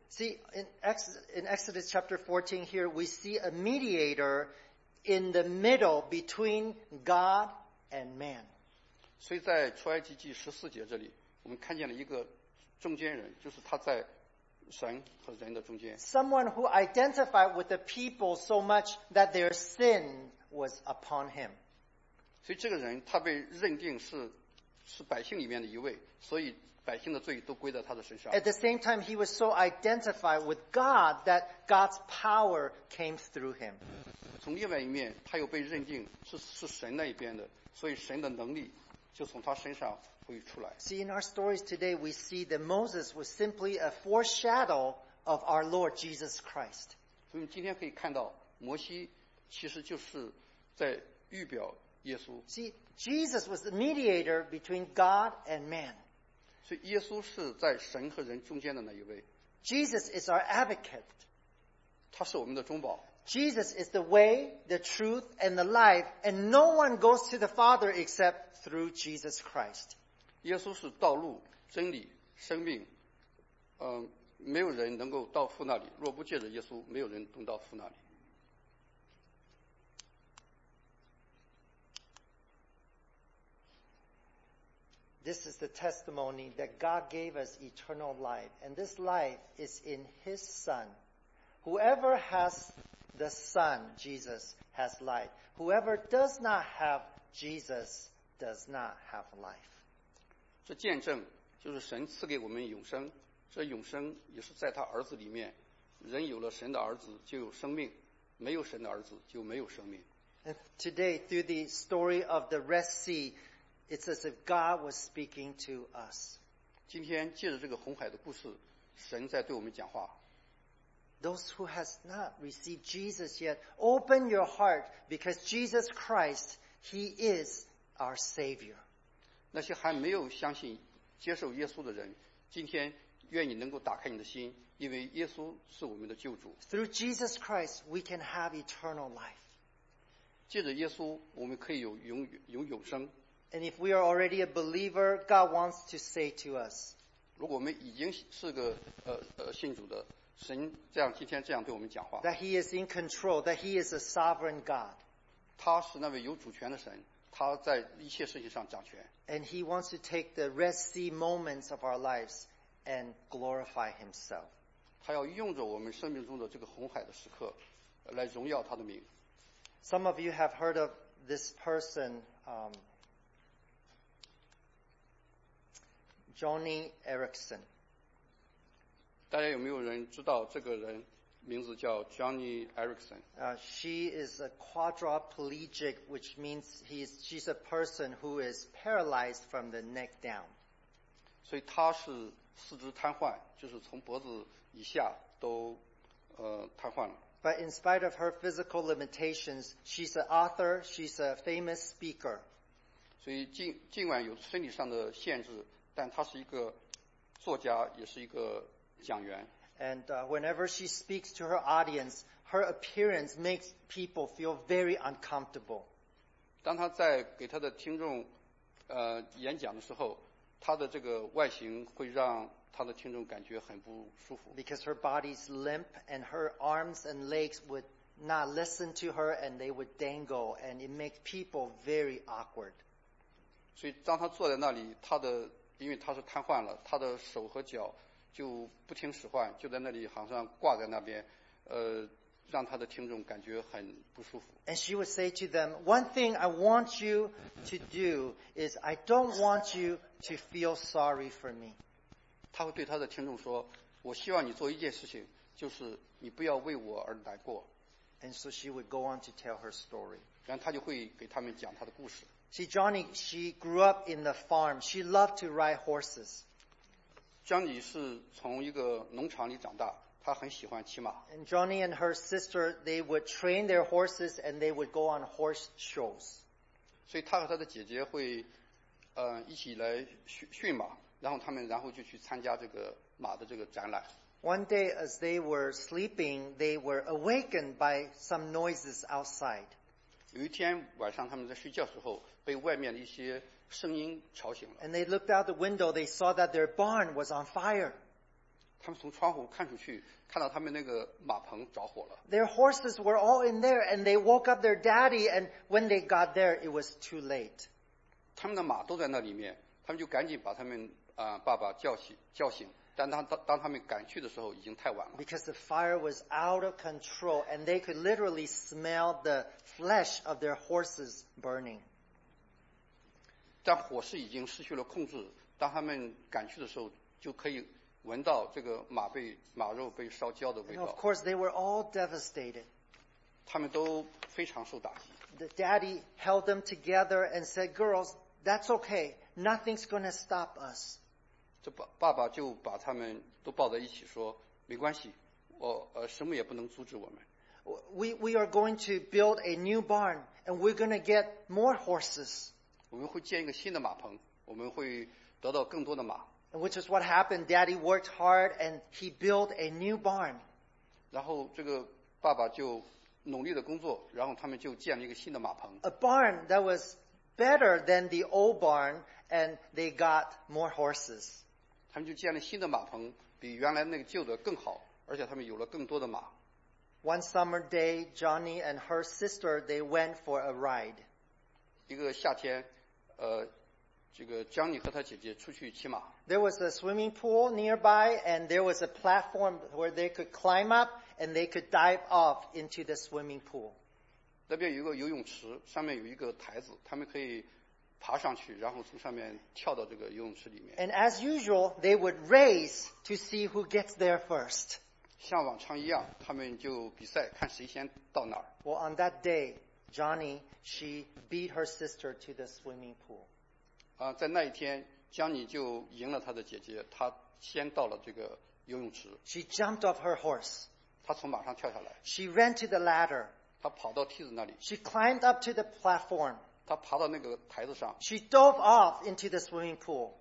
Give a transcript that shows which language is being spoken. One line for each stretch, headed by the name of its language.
English: See, in Exodus chapter 14 here, we see a mediator in the middle between God and man.
Chinese: 所以在出埃及记十四节这里，我们看见了一个中间人，就是他在神和人的中间。
English: Someone who identified with the people so much that their sin was upon him.
Chinese: 所以这个人他被认定是百姓里面的一位，所以百姓的罪都归在他的身上。
English: At the same time, he was so identified with God that God's power came through him.
Chinese: 从另外一面，他又被认定是神那一边的，所以神的能力就从他身上会出来。
English: See, in our stories today, we see that Moses was simply a foreshadow of our Lord Jesus Christ.
Chinese: 所以我们今天可以看到，摩西其实就是在预表耶稣。
English: See, Jesus was the mediator between God and man.
Chinese: 所以耶稣是在神和人中间的那一位。
English: Jesus is our advocate.
Chinese: 他是我们的中保。
English: Jesus is the way, the truth, and the life, and no one goes to the Father except through Jesus Christ.
Chinese: 耶稣是道路、真理、生命，没有人能够到父那里，若不借着耶稣，没有人能到父那里。
English: This is the testimony that God gave us eternal life, and this life is in His Son. Whoever has the Son, Jesus, has life. Whoever does not have Jesus does not have life.
Chinese: 这见证就是神赐给我们永生，这永生也是在他儿子里面。人有了神的儿子就有生命，没有神的儿子就没有生命。
English: And today, through the story of the Red Sea, it's as if God was speaking to us.
Chinese: 今天借着这个红海的故事，神在对我们讲话。
English: Those who has not received Jesus yet, open your heart because Jesus Christ, He is our Savior.
Chinese: 那些还没有相信、接受耶稣的人，今天愿你能够打开你的心，因为耶稣是我们的救主。
English: Through Jesus Christ, we can have eternal life.
Chinese: 借着耶稣，我们可以有永生。
English: And if we are already a believer, God wants to say to us.
Chinese: 如果我们已经是个信主的。神这样今天这样对我们讲话。
English: That He is in control, that He is a sovereign God.
Chinese: 他是那位有主权的神，他在一切事情上掌权。
English: And He wants to take the Red Sea moments of our lives and glorify Himself.
Chinese: 他要用着我们生命中的这个红海的时刻，来荣耀他的名。
English: Some of you have heard of this person, Johnny Erickson.
Chinese: 大家有没有人知道这个人名字叫 Johnny Erickson?
English: She is a quadriplegic, which means she's a person who is paralyzed from the neck down.
Chinese: 所以她是四肢瘫痪，就是从脖子以下都瘫痪了。
English: But in spite of her physical limitations, she's an author, she's a famous speaker.
Chinese: 所以尽管有身体上的限制，但她是一个作家，也是一个讲员。
English: And whenever she speaks to her audience, her appearance makes people feel very uncomfortable.
Chinese: 当她在给她的听众演讲的时候，她的这个外形会让她的听众感觉很不舒服。
English: Because her body's limp and her arms and legs would not listen to her and they would dangle and it makes people very awkward.
Chinese: 所以当她坐在那里，她的因为她是瘫痪了，她的手和脚就不听使唤，就在那里好像挂在那边，让他的听众感觉很不舒服。
English: And she would say to them, "One thing I want you to do is I don't want you to feel sorry for me."
Chinese: 他会对他的听众说，我希望你做一件事情，就是你不要为我而难过。
English: And so she would go on to tell her story.
Chinese: 然后他就会给他们讲他的故事。
English: See, Johnny, she grew up in the farm. She loved to ride horses.
Chinese: Johnny 是从一个农场里长大，他很喜欢骑马。
English: And Johnny and her sister, they would train their horses and they would go on horse shows.
Chinese: 所以他和他的姐姐会，一起来训马，然后就去参加这个马的这个展览。
English: One day as they were sleeping, they were awakened by some noises outside.
Chinese: 有一天晚上他们在睡觉时候，被外面的一些声音吵醒了。
English: And they looked out the window, they saw that their barn was on fire.
Chinese: 他们从窗户看出去，看到他们那个马棚着火了。
English: Their horses were all in there, and they woke up their daddy. And when they got there, it was too late.
Chinese: 他们的马都在那里面，他们就赶紧把他们爸爸叫醒。但当他们赶去的时候，已经太晚了。
English: Because the fire was out of control, and they could literally smell the flesh of their horses burning.
Chinese: 但火势已经失去了控制，当他们赶去的时候，就可以闻到这个马肉被烧焦的味道。
English: And of course, they were all devastated.
Chinese: 他们都非常受打击。
English: The daddy held them together and said, "Girls, that's okay. Nothing's going to stop us."
Chinese: 这爸爸就把他们都抱在一起说，没关系，什么也不能阻止我们。
English: We are going to build a new barn, and we're going to get more horses.
Chinese: 我们会建一个新的马棚，我们会得到更多的马。
English: Which is what happened. Daddy worked hard and he built a new barn.
Chinese: 然后这个爸爸就努力的工作，然后他们就建了一个新的马棚。
English: A barn that was better than the old barn, and they got more horses.
Chinese: 他们就建了新的马棚，比原来那个旧的更好，而且他们有了更多的马。
English: One summer day, Johnny and her sister, they went for a ride.
Chinese: 一个夏天，这个 Johnny 和他姐姐出去骑马。
English: There was a swimming pool nearby, and there was a platform where they could climb up and they could dive off into the swimming pool.
Chinese: 那边有一个游泳池，上面有一个台子，他们可以爬上去，然后从上面跳到这个游泳池里面。
English: And as usual, they would race to see who gets there first.
Chinese: 像往常一样，他们就比赛，看谁先到哪儿。
English: Well, on that day, Johnny, she beat her sister to the swimming pool.
Chinese: 在那一天，江妮就赢了她的姐姐，她先到了这个游泳池。
English: She jumped off her horse.
Chinese: 她从马上跳下来。
English: She ran to the ladder.
Chinese: 她跑到梯子那里。
English: She climbed up to the platform.
Chinese: 她爬到那个台子上。
English: She dove off into the swimming pool.